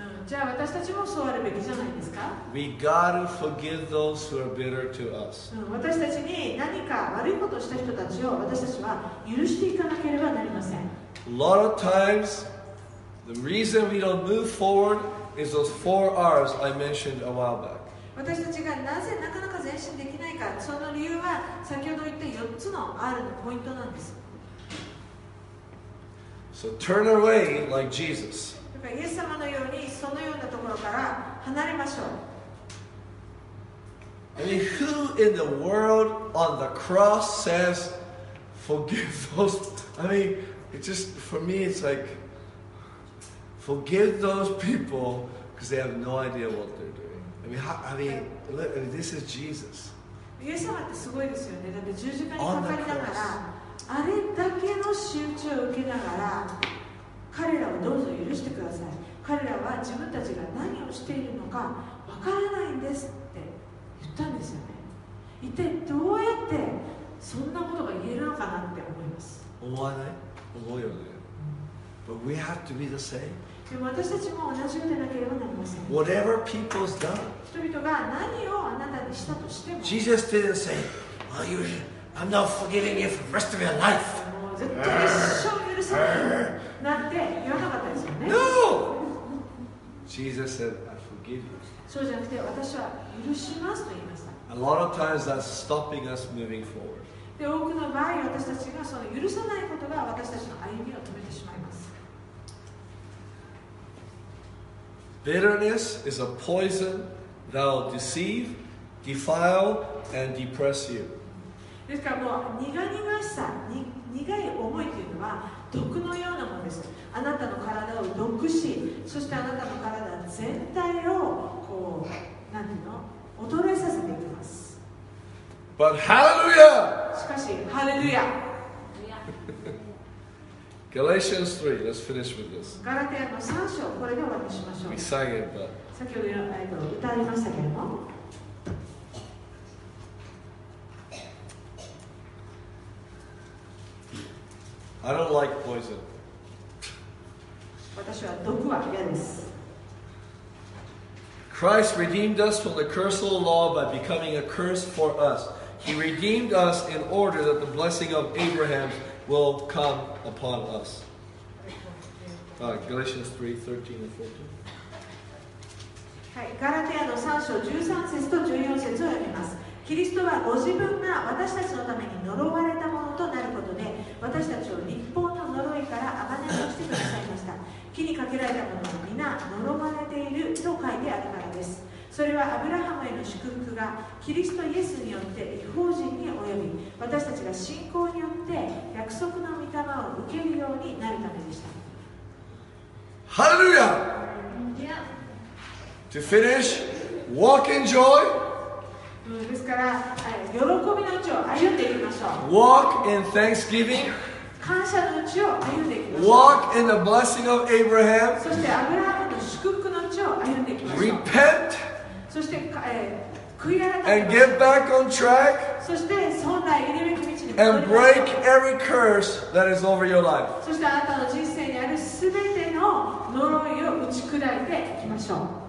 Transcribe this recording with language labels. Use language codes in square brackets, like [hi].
[ja] じゃあ私たちもそうあるべきじゃないですか、うん、私たちに何か悪いことをした人たちを私たちは許していかなければなりません。 [en] A lot of times, the reason we don't move forward is those four R's I mentioned a while back. [ja] 私たちがなぜなかなか前進できないか、その理由は先ほど言った4つの R のポイントなんです。 [en] So turn away like Jesus. [ja] イエス様のようにそのようなところから離れましょう。 [en] I mean, who in the world on the cross says, forgive those? I mean, it just for me, it's like, forgive those people because they have no idea what they're doing. I mean, this is Jesus. [ja] イエス様ってすごいですよね。だって十字架にかかりながら、あれだけの仕打ちを受けながら。彼らをどうぞ許してください。彼らは自分たちが何をしているのかわからないんですって言ったんですよね。一体どうやってそんなことが言えるのかなって思います。思わない？思うよね。 [en] But we have to be the same. [ja] でも私たちも同じようでなければなりません。 [en] Whatever people's done. [ja] 人々が何をあなたにしたとしても。 [en] Jesus didn't say, I'm not forgiving you for the rest of your life. [ja] もう絶対一生許さない。なんて言わなかったですよね。 [en] No! Jesus said, I forgive you. [ja] そうじゃなくて、私は許しますと言いました。 [en] A lot of times that's stopping us moving forward. [ja] で、多くの場合、私たちがその許さないことが私たちの歩みを止めてしまいます。 [en] Bitterness is a poison that will deceive, defile, and depress you. [ja] ですからもう苦々しさ、苦い思いというのは、毒のようなものです。あなたの体を毒し、そしてあなたの体全体をこう、なんていうの、衰えさせていきます。 [en] But hallelujah! [ja] しかし、ハレルヤ。 [en] Galatians 3, let's finish with this. [ja] ガラテヤの3章、これで終わりにしましょう。 [en] We sang it, but... [ja] 先ほど歌いましたけれども。 [en] I don't like poison. [ja] 私は毒は嫌です。 [en] Christ redeemed us from the curse of the law by becoming a curse for us. He redeemed us in order that the blessing of Abraham will come upon us. Galatians 3, 13 and 14. [ja] はい、ガラテヤの3章13節と14節を読みます。キリストはご自分が私たちのために呪われたものとなることで、私たちを立法の呪いから贖い出してくださいました。木にかけられたものは皆呪われていると書いてあるからです。それはアブラハムへの祝福がキリストイエスによって異邦人に及び、私たちが信仰によって約束の御霊を受けるようになるためでした。 [en] ハレルヤ。To finish, walk in joy. [ja] ですから喜びのうちを歩んでいきましょう。 [en] Walk in thanksgiving. [ja] 感謝のうちを歩んでいきましょう。 [en] Walk in the blessing of Abraham. [ja] そしてアブラハムの祝福のうちを歩んでいきましょう。 [en] Repent. [ja] そして悔い改め。 [en] And get back on track. [ja] そして本来入り向き道に戻りましょう。 [en] And break every curse that is over your life. [ja] そしてあなたの人生にあるすべての呪いを打ち砕いていきましょう。